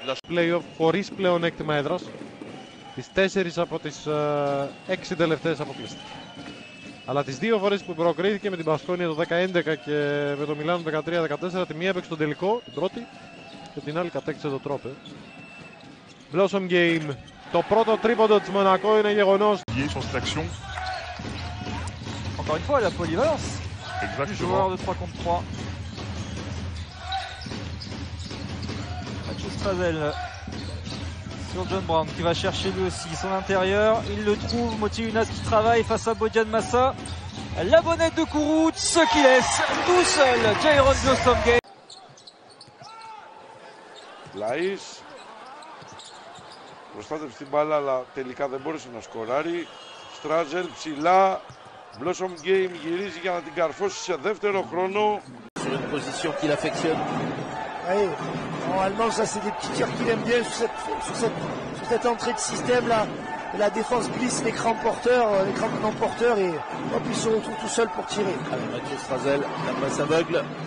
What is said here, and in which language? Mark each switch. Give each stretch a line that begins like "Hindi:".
Greek: Play-off χωρίς πλεονέκτημα έδρας. Τις τέσσερις από τις έξι τελευταίες αποκλείστηκε. Αλλά τις δύο φορές που προκρίθηκε με την Μπασκόνια το 2011 και με το Μιλάνο το 2013-2014, τη μία έπαιξε τον τελικό, την πρώτη, και την άλλη κατέκτησε το τρόπε. Blossom Game. Το πρώτο τρίποντο της Μονακό είναι γεγονός.
French: Encore une fois, la polyvalence. Exactement. Du joueur de 3 contre 3. Mathieu Strazel sur John Brown qui va chercher lui aussi son intérieur. Il le trouve. Motiunas qui travaille face à Bojan Massa. La bonnette de Kourouch, ce qui laisse tout seul Jairon Blossom Gay. Laïs.
Greek: Προστάτευσε την μπάλα, αλλά τελικά δεν μπόρεσε να σκοράρει. Strazel ψηλά. Blossom Game γυρίζει για να την καρφώσει σε δεύτερο χρόνο.
French: Sur une position qu'il affectionne. Oui, normalement, ça c'est des petits tirs qu'il aime bien sur cette entrée de système là. La défense glisse l'écran de l'emporteur et hop, il se retrouve tout seul pour tirer. Avec Mathieu Strazel, la passe aveugle.